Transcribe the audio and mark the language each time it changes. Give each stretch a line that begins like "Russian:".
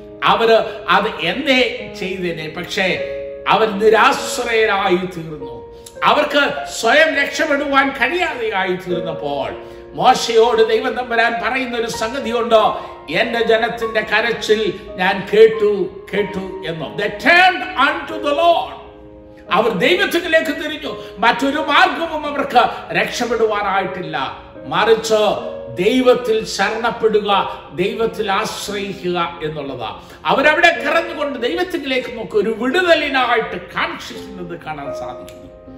Malayalam: അവര് അത് എന്നെ ചെയ്തേനെ, പക്ഷേ അവർ നിരാശ്രയരായി തീർന്നു, അവർക്ക് സ്വയം രക്ഷപ്പെടുവാൻ കഴിയാതെയായി തീർന്നപ്പോൾ മോശയോട് ദൈവം തമ്പുരാൻ പറയുന്ന ഒരു സംഗതിയുണ്ടോ, എന്റെ ജനത്തിന്റെ കരച്ചിൽ ഞാൻ കേട്ടു എന്നോ.
English: They turned unto the Lord.
Malayalam: അവർ ദൈവത്തിലേക്ക് തിരിഞ്ഞു. മറ്റൊരു മാർഗവും അവർക്ക് രക്ഷപ്പെടുവാനായിട്ടില്ല, മറിച്ച് ദൈവത്തിൽ ശരണപ്പെടുക, ദൈവത്തിൽ ആശ്രയിക്കുക എന്നുള്ളതാ. അവരവിടെ കിറഞ്ഞുകൊണ്ട് ദൈവത്തിലേക്ക് നോക്കി ഒരു വിടുതലിനായിട്ട് കാക്ഷിക്കുന്നത് കാണാൻ സാധിക്കുന്നു.